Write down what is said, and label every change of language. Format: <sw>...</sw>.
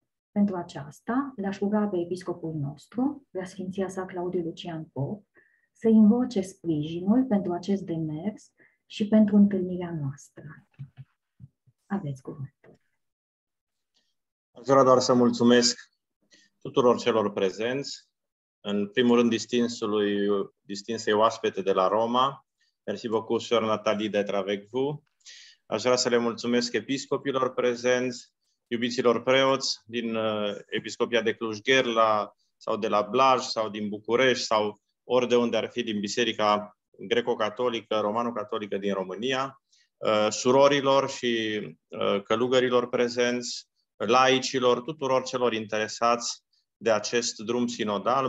<ro>Pentru aceasta, l-aș ruga pe episcopul nostru, Preasfinția sa Claudiu Lucian Pop, să invoce sprijinul pentru acest demers și pentru întâlnirea noastră. Aveți cuvântul. Aș vrea doar să mulțumesc tuturor celor prezenți, în primul rând distinsei oaspete de la Roma.</ro> <fr>Merci beaucoup, Sœur Nathalie, d'être avec vous.</fr> <ro>Aș vrea să le mulțumesc episcopilor prezenți, iubiților preoți din Episcopia de Cluj-Gherla sau de la Blaj sau din București sau ori de unde ar fi din Biserica Greco-Catolică, Romano-Catolică din România, surorilor și călugărilor prezenți, laicilor, tuturor celor interesați de acest drum sinodal.</ro>